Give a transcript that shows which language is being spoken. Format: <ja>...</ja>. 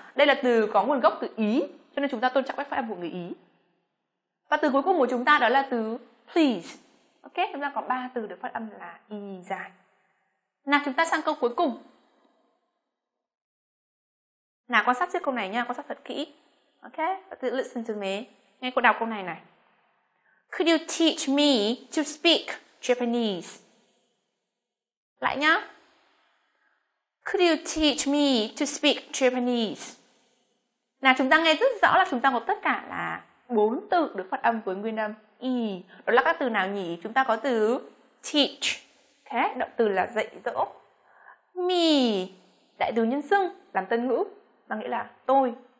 <vi>Đây là từ có nguồn gốc từ Ý, cho nên chúng ta tôn trọng cách phát âm của người Ý. Và từ cuối cùng của chúng ta đó là từ please. Ok? Chúng ta có ba từ được phát âm là y dài. Nào, chúng ta sang câu cuối cùng. Nào, quan sát trước câu này nha, quan sát thật kỹ. Ok? Tự</vi> <en>listen to me.</en> <vi>Nghe cô đọc câu này này.</vi> <en>Could you teach me to speak Japanese?</en> <vi>Lại nhá.</vi> <en>Could you teach me to speak Japanese?</en> <vi>Nào, chúng ta nghe rất rõ là chúng ta có tất cả là bốn từ được phát âm với nguyên âm E. Đó là các từ nào nhỉ? Chúng ta có từ teach. Okay, động từ là dạy dỗ. Me, đại từ nhân xưng, làm tân ngữ, mang nghĩa là tôi.</vi>